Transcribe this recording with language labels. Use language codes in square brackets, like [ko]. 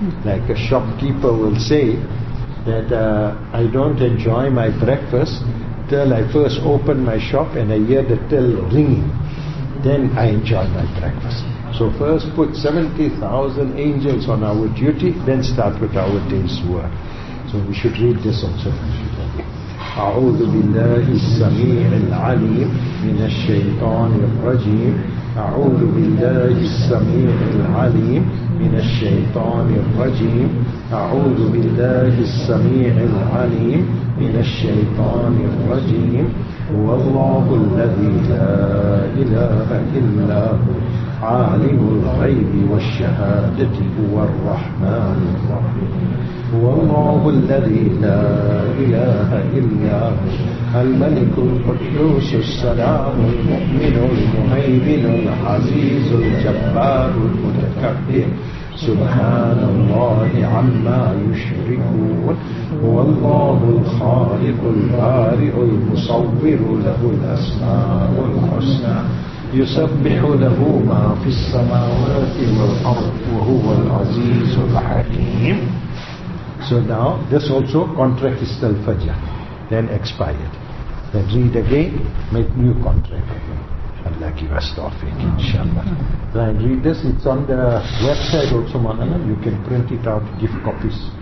[en] Like a shopkeeper will say that I don't enjoy my breakfast till I first open my shop and I hear the till ringing. Then I enjoy my breakfast. So first put 70,000 angels on our duty, then start with our day's work. So we should read this also. [ar] أعوذ بالله السميع العليم من الشيطان الرجيم أعوذ بالله السميع العليم من الشيطان الرجيم أعوذ بالله السميع العليم من الشيطان الرجيم والله الذي لا إله إلا هو عالم الغيب والشهادة هو الرحمن الرحيم والله الذي لا إله إلا هو الملك القدوس السلام المؤمن المهيمن العزيز الجبار المتكبر سبحان الله عما يشركون والله الخالق البارئ المصور له الأسماء الحسنى يسبح له ما في السماوات والأرض وهو العزيز الحكيم. [en] So now, this also, contract is still fajr, then expired. Then read again, make new contract again. Allah give us tawfiq, inshallah. Then read this, it's on the website also, Mahana. You can print it out, give copies.